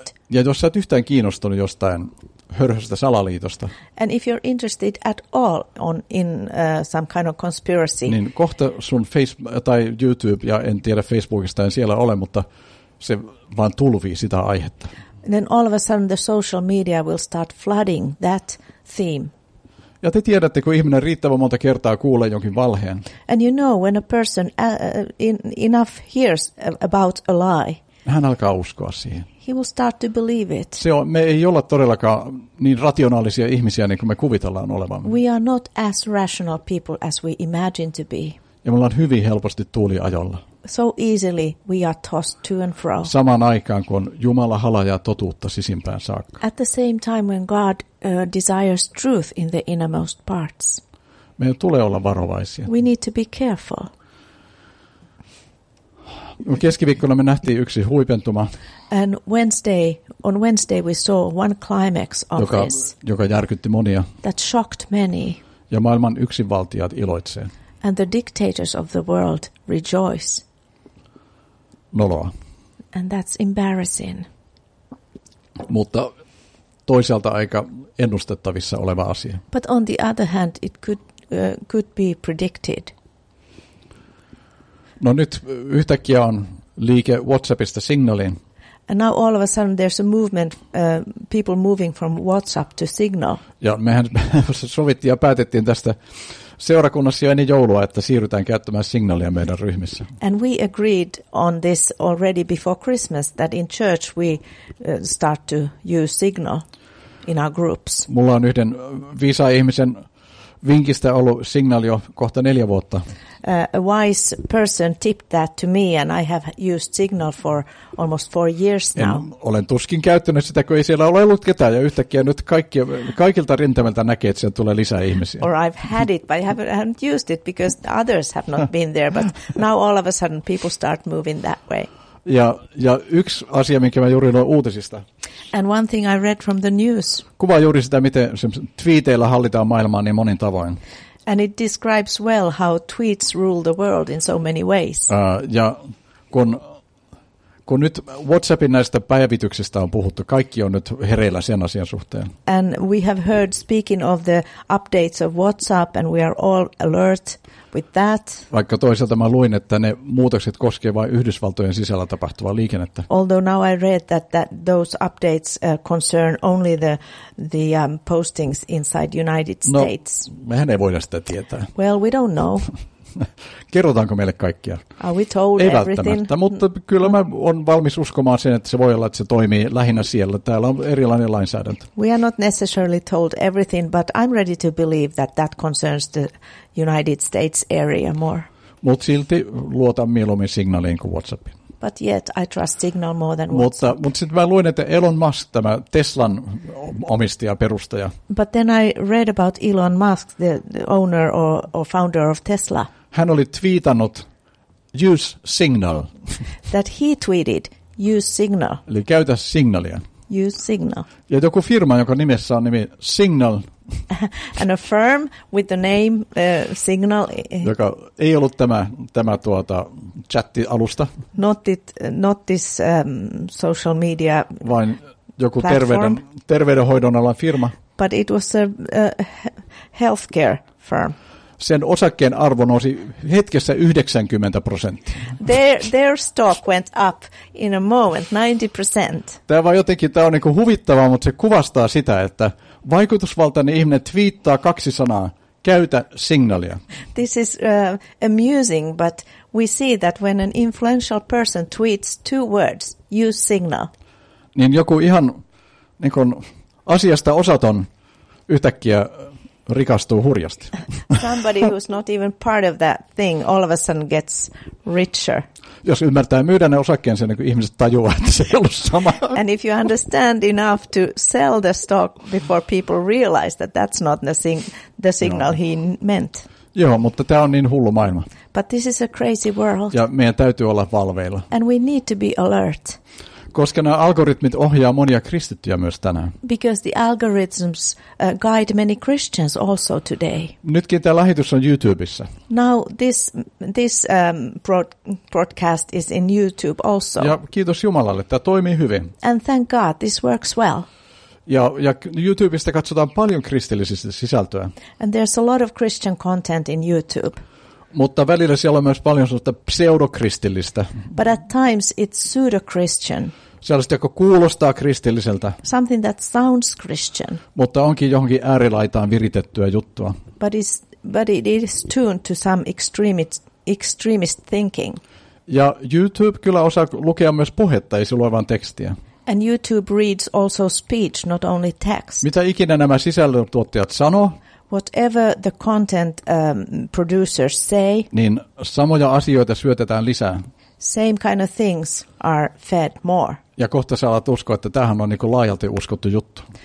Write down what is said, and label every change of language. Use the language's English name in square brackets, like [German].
[Finnish] Ja jos sä et yhtään kiinnostunut jostain hörhöstä salaliitosta. [English] And if you're interested at all in some kind of conspiracy. [Finnish] Niin kohta sun Facebook tai YouTube ja en tiedä Facebookista en siellä ole, mutta se vaan tulvii sitä aihetta. [English] Then all of a sudden the social media will start flooding that theme. [Finnish] Ja te tiedätte, kun ihminen riittävän monta kertaa kuulee jonkin valheen. [English] And you know when a person enough hears about a lie. [Finnish] Hän alkaa uskoa siihen. [English] He will start to believe it. [Finnish] Se on, me ei olla todellakaan niin rationaalisia ihmisiä niin kuin me kuvitellaan olevan. [English] We are not as rational people as we imagine to be. [Finnish] Ja me ollaan hyvin helposti tuuliajolla. [English] So easily we are tossed to and fro. [Finnish] Samaan aikaan, kun Jumala halajaa totuutta sisimpään saakka. [English] At the same time when God desires truth in the innermost parts. [Finnish] Meidän tulee olla varovaisia. [English] We need to be careful. [Finnish] Keskiviikkona me nähtiin yksi huipentuma. [English] And on Wednesday we saw one climax of this. [Finnish] Joka järkytti monia. [English] That shocked many. [Finnish] Ja maailman yksinvaltiat iloitsee. [English] And the dictators of the world rejoice. [Finnish] Noloa. [English] And that's embarrassing. [Finnish] Mutta toisaalta aika ennustettavissa oleva asia. [English] But on the other hand, it could be predicted. [Finnish] No nyt yhtäkkiä on liike WhatsAppista Signaliin. [English] And now all of a sudden there's a movement, people moving from WhatsApp to Signal. [Finnish] Ja mehän sovittiin ja päätettiin tästä seurakunnassa jo ennen joulua, että siirrytään käyttämään Signalia meidän ryhmissä. [English] And we agreed on this already before Christmas, that in church we start to use Signal in our groups. [Finnish] Mulla on yhden viisaan ihmisen vinkistä ollut Signal jo kohta 4 vuotta. [English] A wise person tipped that to me and I have used Signal for almost 4 years now. [Finnish] Olen tuskin käyttänyt sitä, kun ei siellä ole ollut ketään ja yhtäkkiä nyt kaikilta rintamilta näkee, että siellä tulee lisää ihmisiä. [English] Or I've had it, but I haven't used it because others have not been there, but now all of a sudden people start moving that way. [Finnish] Ja yksi asia, minkä mä juuri luin uutisista. [English] And one thing I read from the news. [Finnish] Kuvaa juuri sitä, miten twiiteillä hallitaan maailmaa niin monin tavoin. [English] And it describes well how tweets rule the world in so many ways. [Finnish] Ja kun Kun nyt WhatsAppin näistä päivityksistä on puhuttu, kaikki on nyt hereillä sen asian suhteen. [English] And we have heard speaking of the updates of WhatsApp and we are all alert with that. [Finnish] Vaikka toisaalta mä luin, että ne muutokset koskee vain Yhdysvaltojen sisällä tapahtuvaa liikennettä. [English] Although now I read that those updates concern only the postings inside United States. [Finnish] No, mehän ei voida sitä tietää. [English] Well, we don't know. [Finnish] Kerrotaanko meille kaikkia? [English] Are we told [Finnish] ei välttämättä, [English] everything? [Finnish] Mutta kyllä mä olen valmis uskomaan sen, että se voi olla, että se toimii lähinnä siellä. Täällä on erilainen lainsäädäntö. [English] We are not necessarily told everything, but I'm ready to believe that concerns the United States area more. [Finnish] Mutta silti luotan mieluummin signaaliin kuin WhatsAppiin. [English] But yet I trust signal more than WhatsApp. [Finnish] Mutta sitten mä luin, että Elon Musk, tämä Teslan omistaja, perustaja. [English] But then I read about Elon Musk, the owner or founder of Tesla. [Finnish] Hän oli twiitannut, [English] use signal. That he tweeted, use signal. [Finnish] Eli käytä signalia. [English] Use signal. [Finnish] Ja joku firma, joka nimessä on nimi Signal. [English] And a firm with the name Signal. [Finnish] Joka ei ollut tämä chatti-alusta. [English] Not this social media. [Finnish] Vain joku terveydenhoidon alan firma. [English] But it was a healthcare firm. [Finnish] Sen osakkeen arvo nousi hetkessä 90%. [English] Their stock went up in a moment 90%. [Finnish] Tämä vaan jotenkin tämä on niin kuin huvittavaa, mutta se kuvastaa sitä, että vaikutusvaltainen ihminen twiittaa kaksi sanaa, käytä signaalia. [English] This is amusing, but we see that when an influential person tweets two words, use signal. [Finnish] Niin joku ihan niin kuin asiasta osaton yhtäkkiä rikastuu hurjasti. [English] Somebody who's not even part of that thing all of a sudden gets richer. [Finnish] Jos ymmärtää myydä ne osakkeensa, niin kuin ihmiset tajuaa, että se ei ollut sama. [English] And if you understand enough to sell the stock before people realize that that's not the signal he meant. [Finnish] Joo, mutta tämä on niin hullu maailma. [English] But this is a crazy world. [Finnish] Ja meidän täytyy olla valveilla. [English] And we need to be alert. [Finnish] Koska nämä algoritmit ohjaa monia kristittyjä myös tänään. [English] Because the algorithms guide many Christians also today. [Finnish] Nytkin tämä lähetys on YouTubessa. [English] Now this broadcast is in YouTube also. [Finnish] Ja kiitos Jumalalle, tämä toimii hyvin. [English] And thank God, this works well. [Finnish] Ja YouTubesta katsotaan paljon kristillisistä sisältöä. [English] And there's a lot of Christian content in YouTube. [Finnish] Mutta välillä siellä on myös paljon sellaista pseudokristillistä. [English] But at times it's pseudo-Christian. [Finnish] Sellaista, joka kuulostaa kristilliseltä. [English] Something that sounds Christian. [Finnish] Mutta onkin johonkin äärilaitaan viritettyä juttua. [English] But it is tuned to some extremist thinking. [Finnish] Ja YouTube kyllä osaa lukea myös puhetta, ei sillä ole vain tekstiä. [English] And YouTube reads also speech, not only text. [Finnish] Mitä ikinä nämä sisällöntuottajat sanoo? [English] Whatever the content producers say, [Finnish] niin samoja asioita syötetään lisää. [English] Same kind of things are fed more. [Finnish] Ja kohta sä alat uskoa, että tämähän on niin kuin laajalti uskottu juttu.